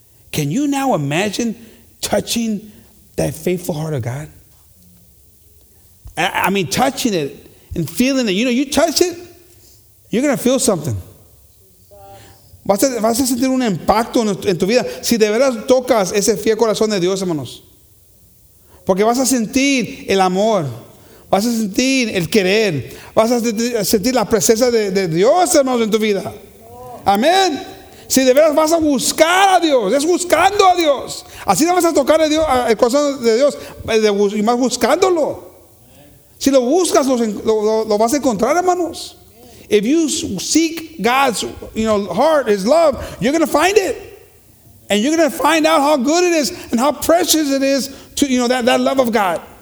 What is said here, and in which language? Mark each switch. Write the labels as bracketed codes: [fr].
[en] Can you now imagine touching that faithful heart of God? I mean, touching it and feeling it. You know, you touch it, you're going to feel something. [es] Vas a sentir un impacto en tu vida si de veras tocas ese fiel corazón de Dios, hermanos. Porque vas a sentir el amor. Vas a sentir el querer. Vas a sentir la presencia de Dios, hermanos, en tu vida. Amén. Si de veras vas a buscar a Dios, es buscando a Dios. Así no vas a tocar el corazón de Dios y más buscándolo. Si lo buscas, lo vas a encontrar, hermanos. [en] If you seek God's, you know, heart, his love, you're going to find it. And you're going to find out how good it is and how precious it is to, you know, that love of God.